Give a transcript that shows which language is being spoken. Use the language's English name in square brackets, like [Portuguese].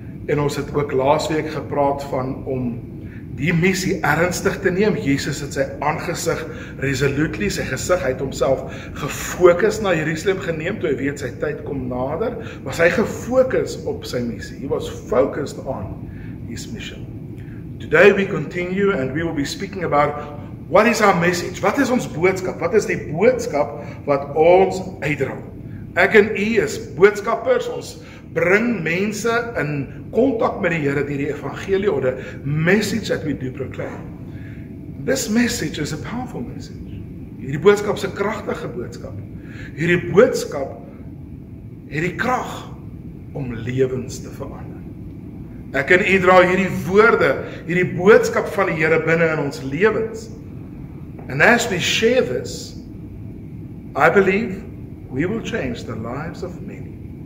[Afrikaans] En ons het ook laasweek gepraat van om die missie ernstig te neem. Jezus het sy aangezicht resolutely, sy gezicht, hy het homself gefokus na Jerusalem geneem, toe hy weet sy tyd kom nader, was hy gefokus op sy missie. [English] He was focused on his mission. Today we continue and we will be speaking about what is our message? [Afrikaans] Wat is ons boodskap? Wat is die boodskap wat ons uitdra? Ek en u is boodskappers, ons bring mense in contact met die Here deur die evangelie [English] of the message that we do proclaim. This message is a powerful message. [Afrikaans] Hierdie boodskap is 'n kragtige boodskap. Hierdie boodskap het die krag om lewens te verander. Ek en u dra hierdie woorde, hierdie boodskap van die Here binne in ons lewens. [English] And as we share this, I believe we will change the lives of many.